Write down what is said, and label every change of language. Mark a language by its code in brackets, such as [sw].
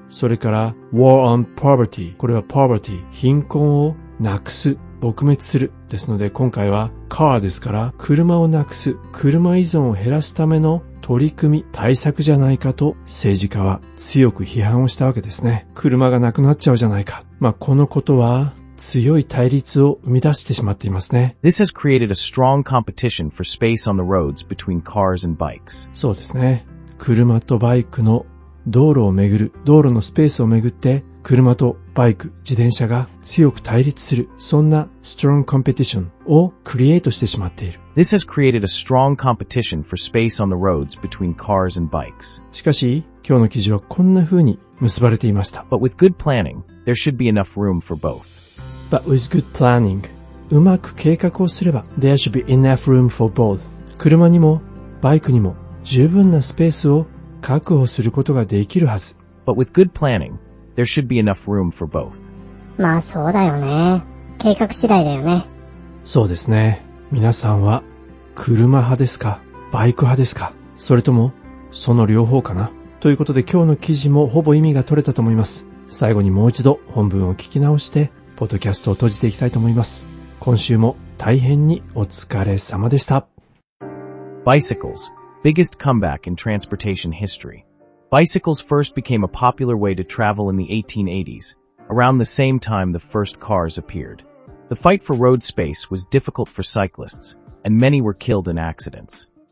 [ja] それから、War on Poverty これは Poverty 貧困をなくす、撲滅するですので、今回は Car ですから、車をなくす、車依存を減らすための取り組み、対策じゃないかと政治家は強く批判をしたわけですね。車がなくなっちゃうじゃないか。まあ、このことは、強い対立を生み出してしまっていますね。 [en] This has created a strong competition for space on the roads between cars and bikes. [ja] そうですね。車とバイクの道路をめぐる、道路のスペースをめぐって、車とバイク、自転車が強く対立する、そんな [en] strong competition [ja] をクリエイトしてしまっている。 [en] This has created a strong competition for space on the roads between cars and bikes. [ja] しかし、今日の記事はこんな風に結ばれていました。 [en] But with good planning, there should be enough room for both. But with good planning, [ja] うまく計画をすれば [en] there should be enough room for both. [ja] 車にもバイクにも十分なスペースを確保することができるはず。 [en] But with good planning, there should be enough room for both. [ja] まあそうだよね。計画次第だよね。そうですね。皆さんは車派ですか、バイク派ですか、それともその両方かな。ということで今日の記事もほぼ意味が取れたと思います。最後にもう一度本文を聞き直して。ポッドキャストを閉じていきたいと思います。今週も大変にお疲れ様でした。 [en] Bicycles, biggest comeback in transportation history. Bicycles first became a popular way to travel in the 1880s, around the same time the first cars appeared. The fight for road space was difficult for cyclists, and many were killed in accidents.